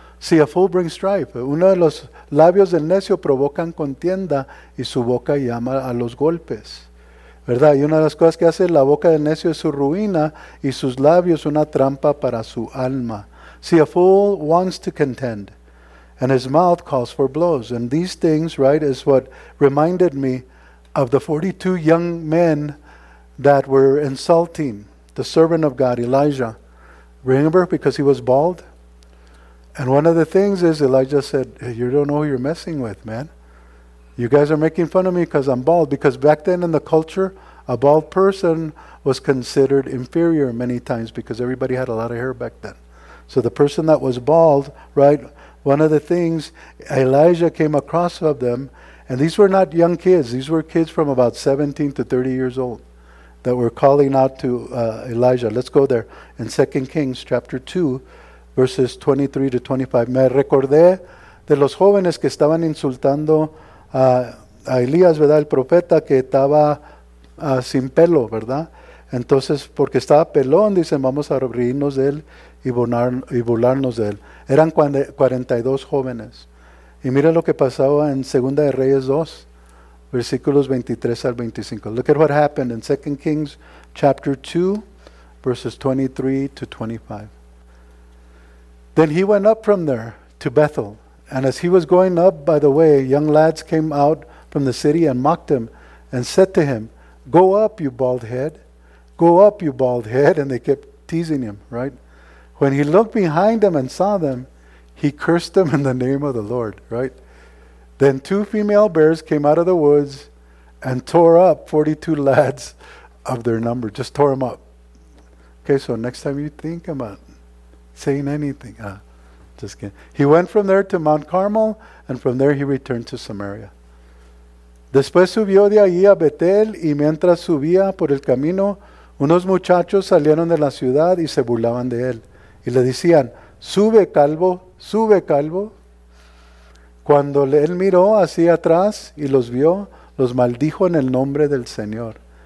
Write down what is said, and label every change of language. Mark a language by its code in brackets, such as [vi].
[en] See, a fool brings strife. [es] Uno de los labios del necio provocan contienda, y su boca llama a los golpes. ¿Verdad? Y una de las cosas que hace la boca del necio es su ruina, y sus labios una trampa para su alma. [en] See, a fool wants to contend, and his mouth calls for blows. And these things, right, is what reminded me of the 42 young men that were insulting the servant of God, Elijah. Remember, because he was bald? And one of the things is, Elijah said, hey, you don't know who you're messing with, man. You guys are making fun of me because I'm bald. Because back then in the culture, a bald person was considered inferior many times because everybody had a lot of hair back then. So the person that was bald, right, one of the things, Elijah came across of them, and these were not young kids. These were kids from about 17 to 30 years old that were calling out to Elijah. Let's go there. In 2 Kings chapter 2, verses 23 to 25. [es] Me recordé de los jóvenes que estaban insultando a Elías, ¿verdad? El profeta que estaba sin pelo, ¿verdad? Entonces, porque estaba pelón, dicen, vamos a reírnos de él y burlarnos de él. Eran 42 jóvenes. Y mira lo que pasaba en Segunda de Reyes 2, versículos 23 al 25. [en] Look at what happened in 2 Kings chapter 2, verses 23 to 25. Then he went up from there to Bethel. And as he was going up by the way, young lads came out from the city and mocked him and said to him, go up, you bald head. Go up, you bald head. And they kept teasing him, right? When he looked behind him and saw them, he cursed them in the name of the Lord, right? Then two female bears came out of the woods and tore up 42 lads of their number. Just tore them up. Okay, so next time you think about saying anything. Just kidding. He went from there to Mount Carmel, and from there he returned to Samaria. [es] Después subió de allí a Betel, y mientras subía por el camino, unos muchachos salieron de la ciudad y se burlaban de él. Y le decían, sube, calvo. Sube, calvo. Cuando él miró hacia atrás y los vio, los maldijo en el nombre del Señor.